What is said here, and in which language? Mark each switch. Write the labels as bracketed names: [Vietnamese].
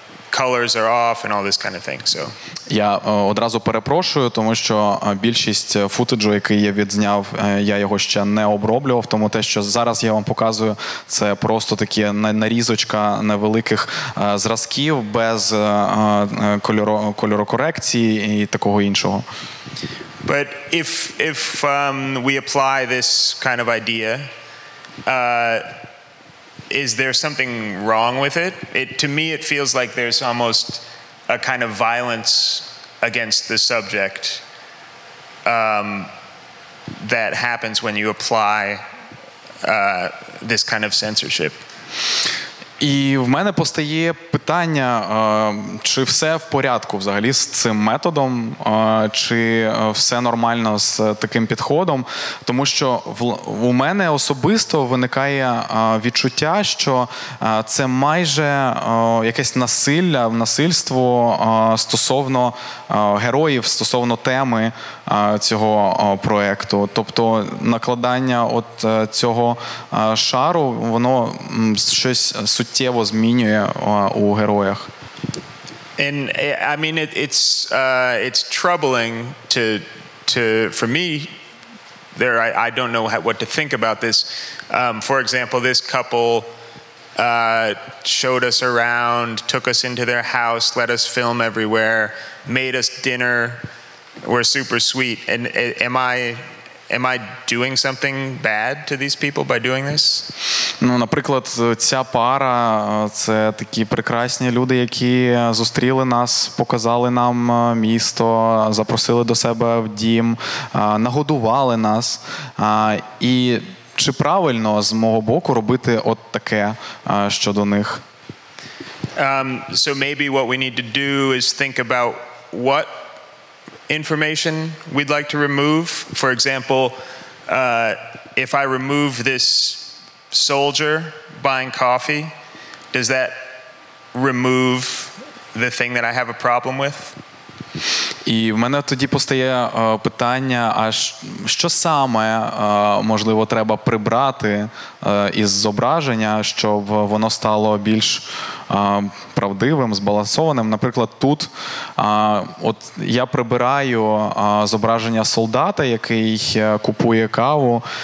[English] Colors are off and all this kind of thing. So [Ukrainian] я одразу перепрошую, тому що більшість футеджу, який я відзняв, я його ще не оброблював, тому те, що зараз я вам показую, це просто такі нарізочка невеликих зразків без кольорокорекції і такого іншого. [English] But if we apply this kind of idea, is there something wrong with it? To me, it feels like there's almost a kind of violence against the subject that happens when you apply this kind of censorship. [Ukrainian] І в мене постає питання, чи все в порядку взагалі з цим методом, чи все нормально з таким підходом, тому що у мене особисто виникає відчуття, що це майже якесь насилля, насильство стосовно героїв, стосовно теми цього проєкту. Тобто накладання от цього шару, воно щось суттєво змінює у героях. [English] And I mean it's troubling to for me there I don't know what to think about this. For example, this couple showed us around, took us into their house, let us film everywhere, made us dinner. We're super sweet. And am I doing something bad to these people by doing this? [Ukrainian] Ну, наприклад, ця пара – це такі прекрасні люди, які зустріли нас, показали нам місто, запросили до себе в дім, нагодували нас. І чи правильно з мого боку робити от таке щодо них? [English] So maybe what we need to do is think about what information we'd like to remove. For example, if I remove this soldier buying coffee, does that remove the thing that I have a problem with? [Ukrainian] І в мене тоді постає питання, а що саме, можливо, треба прибрати із зображення, щоб воно стало більш правдивим, збалансованим. Наприклад, тут от я прибираю зображення солдата, який купує каву.